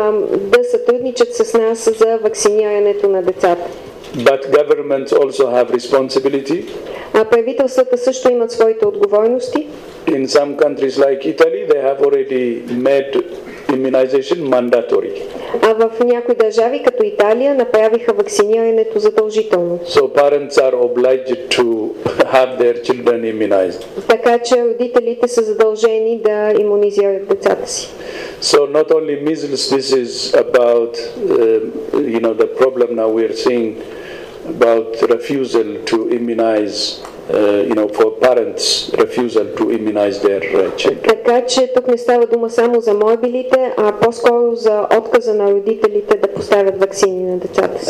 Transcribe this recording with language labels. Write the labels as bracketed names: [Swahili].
[Bulgarian] Да сътрудничат с нас за вакцинирането на децата. [English] But governments also have responsibility. [Bulgarian] Правителствата също имат своите отговорности. [English] In some countries like Italy, they have already made immunization mandatory. [Bulgarian] В някои държави, като Италия, направиха вакцинирането задължително. [English] So parents are obliged to have their children immunized. [Bulgarian] Така че родителите са задължени да имунизират децата си. [English] So not only measles, this is about you know, the problem now we are seeing about refusal to immunize. You know, for parents refusal to immunize their children. [Bulgarian] Така че тук не става дума само за морбилите, а по-скоро за отказа на родителите да поставят ваксини на децата си.